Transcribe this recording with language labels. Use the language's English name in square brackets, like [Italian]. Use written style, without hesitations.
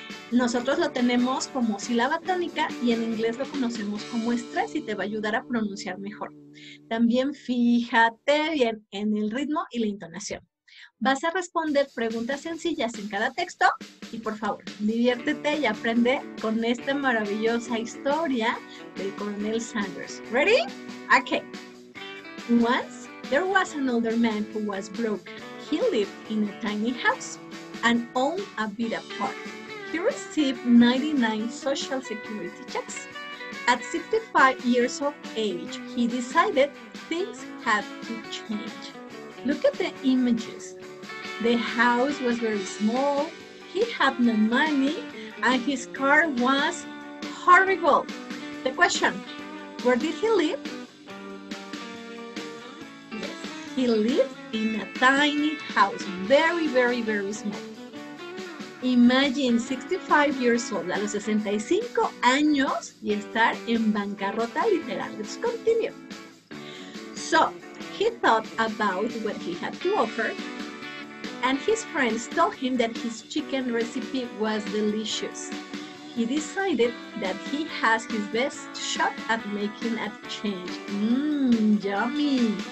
[Spanish] Nosotros lo tenemos como sílaba tónica y en inglés lo conocemos como stress y te va a ayudar a pronunciar mejor. También fíjate bien en el ritmo y la entonación. Vas a responder preguntas sencillas en cada texto y por favor, diviértete y aprende con esta maravillosa historia del Colonel Sanders. [English] ¿Ready? Ok. Once there was an older man who was broke. He lived in a tiny house and owned a beat up car. He received 99 social security checks. At 65 years of age, he decided things had to change. Look at the images. The house was very small, he had no money, and his car was horrible. The question, where did he live? Yes, he lived in a tiny house, very, very, very small. Imagine 65 years old, [Spanish] a los 65 años y estar en bancarrota literal. [English] Let's continue. So, he thought about what he had to offer and his friends told him that his chicken recipe was delicious. He decided that he has his best shot at making a change. Yummy.